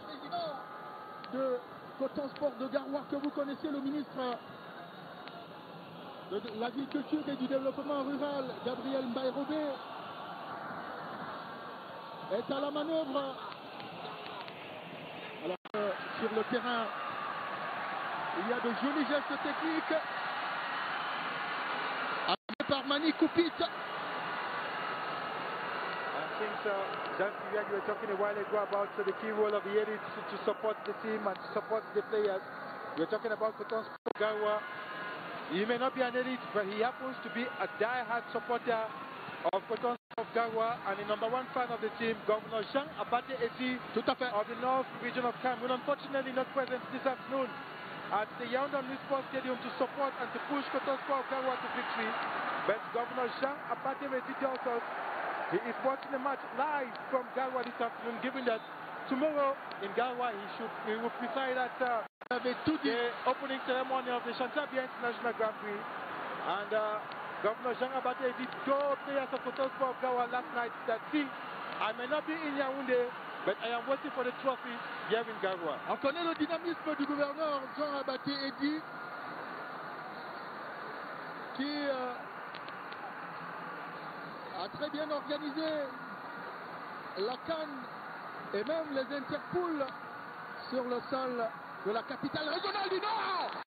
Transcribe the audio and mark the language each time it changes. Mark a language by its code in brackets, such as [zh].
[fr] président de Coton Sport de Garrois, que vous connaissez, le ministre de l'Agriculture et du Développement Rural, Gabriel Mbaye-Robé, est à la manœuvre. Alors, sur le terrain, il y a de jolis gestes techniques, amenés par Mani Koupit. [en] You were talking a while ago about the key role of the elite to support the team and to support the players. You were talking about Coton Sport de Garrois. He may not be an elite, but he happens to be a die-hard supporter of Coton Sport de Garrois and the number one fan of the team, Governor Jean Abate Ezi of the North Region of Cameroun. Unfortunately, not present this afternoon at the Yaoundé New Sports Stadium to support and to push Coton Sport de Garrois to victory. But Governor Jean Abate Ezi tells us he is watching the match live from Garrois this afternoon, given that tomorrow in Garrois he will preside at the opening ceremony of the Chantabia International Grand Prix. And Governor Jean Abate Ezi told players of Coton Sport de Garrois last night that, see, I may not be in Yaoundé, but I am waiting for the trophy here in Garrois. [fr] On connaît le dynamisme du gouverneur Jean Abate Ezi, qui a très bien organisé la CAN et même les interpoules sur le sol de la capitale régionale du Nord.